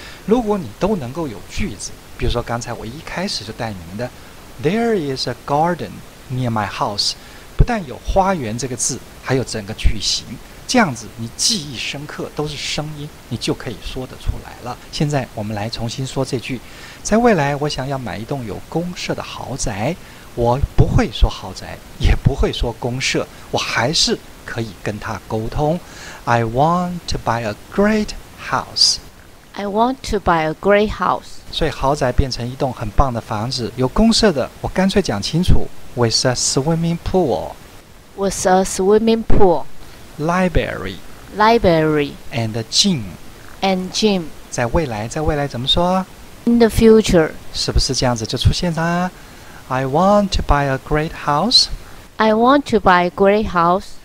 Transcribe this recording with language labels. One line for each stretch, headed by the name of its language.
Chinese: 如果你都能够有句子，比如说刚才我一开始就带你们的
English: There is a garden near my house，
Chinese: 不但有花园这个字，还有整个句型，这样子你记忆深刻，都是声音，你就可以说得出来了。现在我们来重新说这句，在未来我想要买一栋有公设的豪宅。我不会说豪宅，也不会说公设，我还是可以跟他沟通。
English: I want to buy a great house。 I want to buy a great house。
Chinese: 所以豪宅变成一栋很棒的房子，有公设的，我干脆讲清楚，
English: with a swimming pool， with a swimming pool， library， library， and a gym， and gym。
Chinese: 在未来，在未来怎么说？
English: in the future。
Chinese: 是不是这样子就出现了？
English: I want to buy a great house， I want to buy a great house，